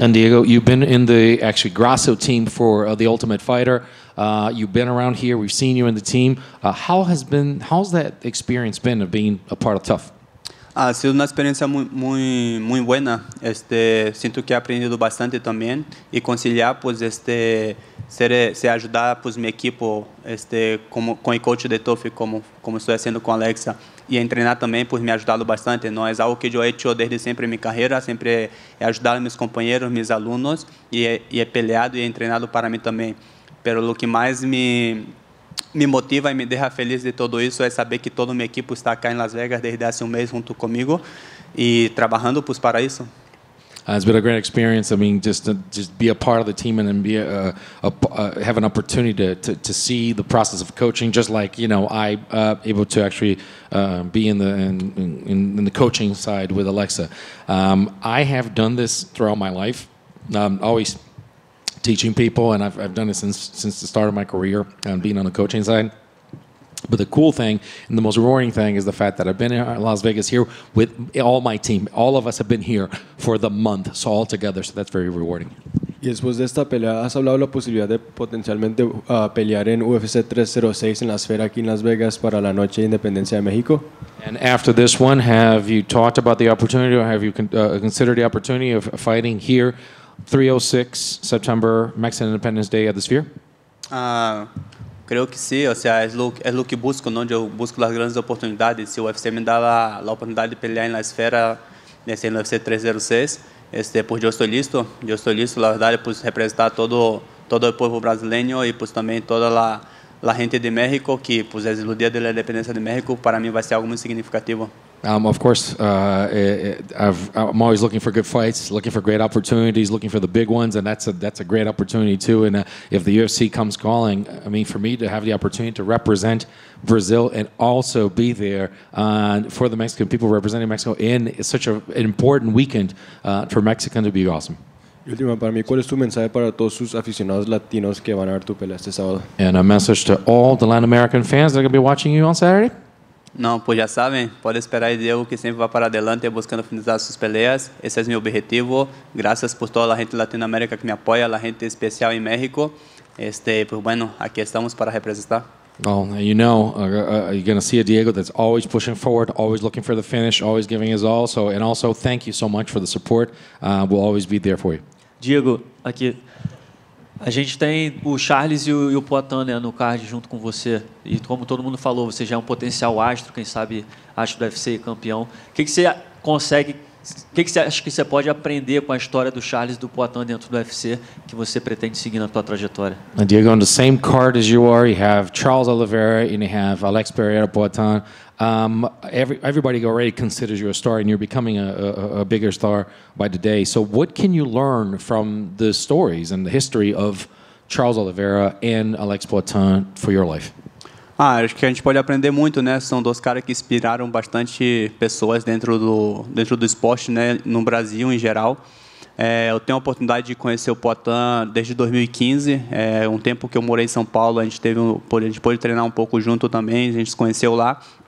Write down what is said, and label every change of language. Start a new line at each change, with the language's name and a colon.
English: And Diego, you've been in the actually Grasso team for the Ultimate Fighter. You've been around here. We've seen you in the team. How's that experience been of being a part of TUF?
Spanish: Ha sido una experiencia muy buena. Siento que he aprendido bastante también y conciliar pues ser ayudar pues mi equipo con el coach de TUF como estoy haciendo con Alexa y entrenar también pues me ha ayudado bastante. No es algo que yo he hecho desde siempre en mi carrera, siempre he ayudado a mis compañeros, mis alumnos y he peleado y he entrenado para mí también. Pero lo que más me motiva y me deja feliz de todo eso es saber que todo mi equipo está acá en Las Vegas desde hace un mes junto conmigo y trabajando pues para eso.
English: It's been a great experience. I mean, just be a part of the team and be have an opportunity to see the process of coaching, just like, you know, I able to actually be in the coaching side with Alexa. I have done this throughout my life, always teaching people, and I've done it since the start of my career and being on the coaching side. But the cool thing and the most rewarding thing is the fact that I've been in Las Vegas here with all my team. All of us have been here for the month, so all together. So that's very rewarding.
Spanish: Y después de esta pelea, ¿has hablado de la posibilidad de potencialmente pelear en UFC 306 en la esfera aquí en Las Vegas para la noche de Independencia de México?
English: And after this one, have you talked about the opportunity or have you considered the opportunity of fighting here 306 September, Mexican Independence Day at the Sphere?
Spanish: Creo que sí, o sea, es lo que busco, ¿no? Yo busco las grandes oportunidades. Si UFC me da la oportunidad de pelear en la esfera, en UFC 306, pues yo estoy listo, la verdad, pues representar todo el pueblo brasileño y pues también toda la gente de México, que pues es el día de la independencia de México, para mí va a ser algo muy significativo.
English: Of course, I'm always looking for good fights, looking for great opportunities, looking for the big ones, and that's a great opportunity too. And if the UFC comes calling, I mean, for me to have the opportunity to represent Brazil and also be there for the Mexican people representing Mexico in such an important weekend for Mexican to be awesome.
Spanish: Última para mí, ¿cuál es tu mensaje para todos sus aficionados latinos que van a ver tu pelea este sábado?
English: And a message to all the Latin American fans that are going to be watching you on Saturday.
Portuguese: Não, pois já sabem, pode esperar Diego que sempre vai para adelante buscando finalizar suas peleas. Esse é meu objetivo. Graças por toda a gente latino-americana que me apoia, a gente especial em México. Pois, bueno, aqui estamos para representar.
English: Oh, you know, you're going to see a Diego that's always pushing forward, always looking for the finish, always giving his all. So, and also, thank you so much for the support. We'll always be there for you.
Portuguese: Diego, aqui. A gente tem o Charles e o Poitin, né, no card junto com você. E como todo mundo falou, você já é um potencial astro, quem sabe astro do UFC e campeão. O que você acha que você pode aprender com a história do Charles e do Poitin dentro do UFC que você pretende seguir na sua trajetória?
English: And Diego, on the same card as you are, you have Charles Oliveira and you have Alex Pereira Poitin. Everybody already considers you a star, and you're becoming a bigger star by the day. So what can you learn from the stories and the history of Charles Oliveira and Alex Poitin for your life?
Portuguese: Acho que a gente pode aprender muito, né? São dois caras que inspiraram bastante pessoas dentro do esporte, né? No Brasil em geral. Eu tenho a oportunidade de conhecer o Poitin desde 2015. Um tempo que eu morei em São Paulo, a gente pôde treinar um pouco junto também, a gente se conheceu lá.